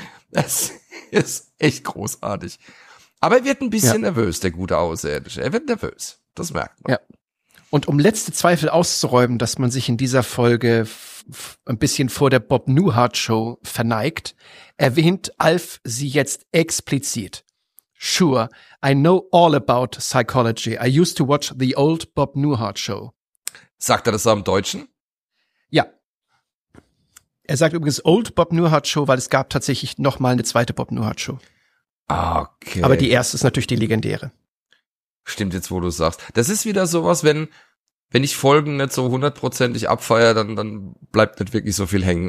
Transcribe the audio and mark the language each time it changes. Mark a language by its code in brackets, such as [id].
[de] Das ist echt großartig. Aber er wird ein bisschen nervös, der gute Außerirdische. Er wird nervös. Das merkt man. Ja. Und um letzte Zweifel auszuräumen, dass man sich in dieser Folge ein bisschen vor der Bob Newhart Show verneigt, erwähnt Alf sie jetzt explizit. [en] Sure, I know all about psychology. I used to watch the old Bob Newhart Show. [de] Sagt er das am Deutschen? Ja. Er sagt übrigens Old Bob Newhart Show, weil es gab tatsächlich noch mal eine zweite Bob Newhart Show. Okay. Aber die erste ist natürlich die legendäre. Stimmt jetzt, wo du sagst. Das ist wieder sowas, wenn ich Folgen nicht so hundertprozentig abfeiere, dann bleibt nicht wirklich so viel hängen.